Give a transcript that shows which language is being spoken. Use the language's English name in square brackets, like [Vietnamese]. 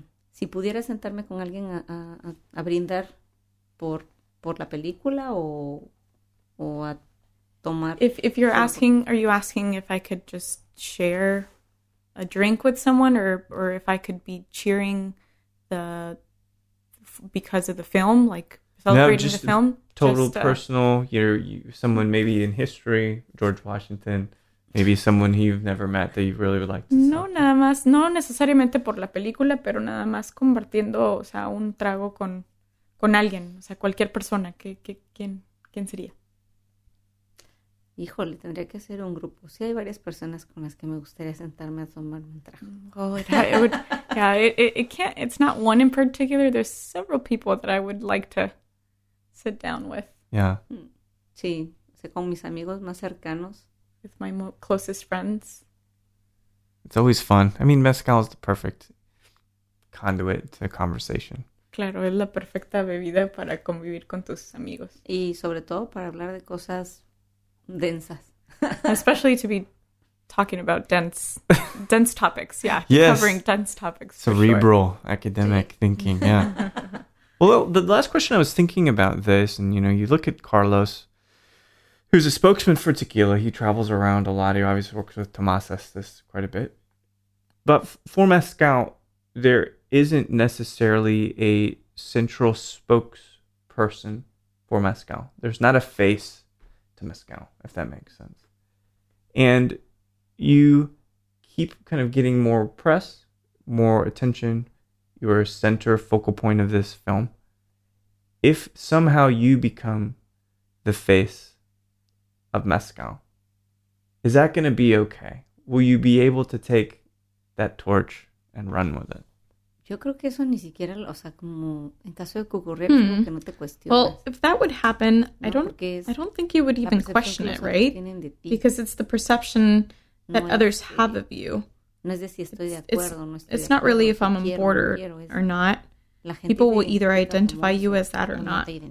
[Spanish] Si pudiera sentarme con alguien a brindar por la película o a tomar. [English] If you're asking, are you asking if I could just share a drink with someone or if I could be cheering because of the film, like celebrating no, just the film? Total just, personal, you're someone maybe in history, George Washington. Maybe someone you've never met that you really would like to see. [Spanish] No, nada más. No necesariamente por la película, pero nada más compartiendo, o sea, un trago con alguien. O sea, cualquier persona. ¿Quién sería? Híjole, tendría que ser un grupo. Sí, hay varias personas con las que me gustaría sentarme a tomar un trago. [English] It's not one in particular. There's several people that I would like to sit down with. Yeah. [Spanish] Sí, con mis amigos más cercanos. [English] With my closest friends. It's always fun. I mean, mezcal is the perfect conduit to conversation. [Spanish] Claro, es la perfecta bebida para convivir con tus amigos. Y sobre todo para hablar de cosas densas. [English] Especially to be talking about dense topics. Yeah, yes. Covering dense topics. Cerebral, sure. Academic sí. Thinking, yeah. Well, the last question I was thinking about this, and you know, you look at Carlos, who's a spokesman for tequila. He travels around a lot. He obviously works with Tomas Estes quite a bit. But for mezcal, there isn't necessarily a central spokesperson for mezcal. There's not a face to mezcal, if that makes sense. And you keep kind of getting more press, more attention. You're a center focal point of this film. If somehow you become the face of mezcal, is that going to be okay? Will you be able to take that torch and run with it? [Spanish] Yo creo que eso ni siquiera, o sea, como en caso de que ocurriera, como que no te cuestionas. [English] Well, if that would happen, no, I don't think you would even question it, right? Because it's the perception that no others have of you. [Spanish] No es de si estoy de acuerdo, [English] it's, [Spanish] no estoy [English] it's [Spanish] de acuerdo, [English] not really if I'm on border or not. People will either identify you as that or not.